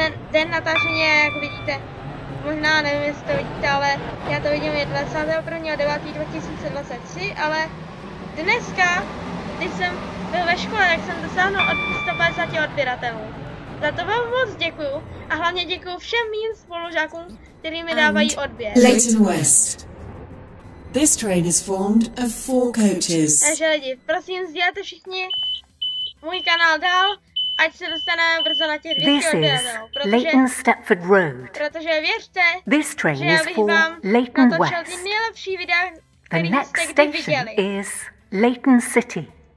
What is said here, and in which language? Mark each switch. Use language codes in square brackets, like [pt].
[cs] Den natáčení je, jak vidíte, možná nevím, jestli to vidíte, ale já to vidím je 21.9.2023, ale dneska, když jsem byl ve škole, tak jsem dosáhnul od 150 odběratelů. Za to vám moc děkuju a hlavně děkuju všem mým spolužákům, kteří mi dávají odběr. [en] Leighton West. This train is formed of 4 coaches. [cs] Takže lidi, prosím, sdílejte všichni můj kanál dál, ať se dostaneme brzo na těch 200 odběratelů. [en] This is Leighton Stepford Road. [cs] Protože věřte, [en] this train [cs] že já bych vám Leighton natočil West. Ty nejlepší videa, který jste kdy viděli. [en] The next station is Leighton City.